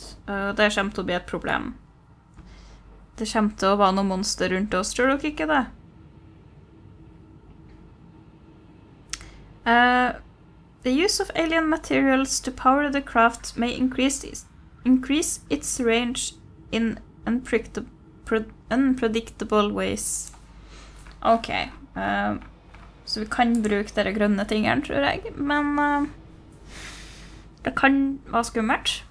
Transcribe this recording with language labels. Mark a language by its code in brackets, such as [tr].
[no] Det kommer til å bli et problem. Det kommer til å være noen monster rundt oss, tror dere ikke det? [en] The use of alien materials to power the craft may increase its range in unpredictable ways. Ok. [no] Så vi kan bruke dere grønne tingene, tror jeg. Men det kan være skummelt.